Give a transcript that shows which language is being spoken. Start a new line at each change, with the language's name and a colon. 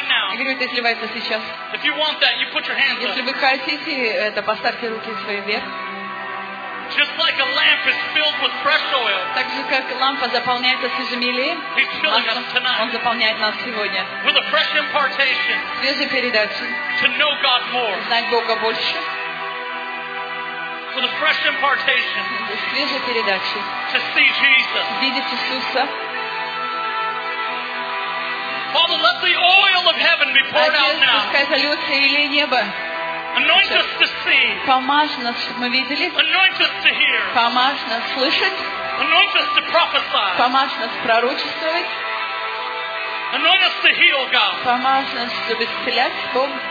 Russian: Я говорю, это изливается сейчас. Если вы хотите это, поставьте руки свои вверх.
English: Just like a lamp is filled with fresh oil.
Russian: Так же как лампа заполняется свежим елеем. Он заполняет нас сегодня.
English: With a fresh impartation.
Russian: Свежей передачей.
English: To know God more.
Russian: Знать Бога больше.
English: With a fresh impartation.
Russian: Свежей передачей.
English: To see Jesus.
Russian: Видеть Иисуса.
English: Father, let the oil of heaven be poured out now.
Russian: Пускай зальется елей неба.
English: Anoint us to see.
Russian: Помажь нас, мы видели.
English: Anoint us to hear.
Russian: Помажь нас слышать.
English: Anoint us to prophesy.
Russian: Помажь нас пророчествовать.
English: Anoint us to heal, God.
Russian: Помажь нас, чтобы исцелять, Бог.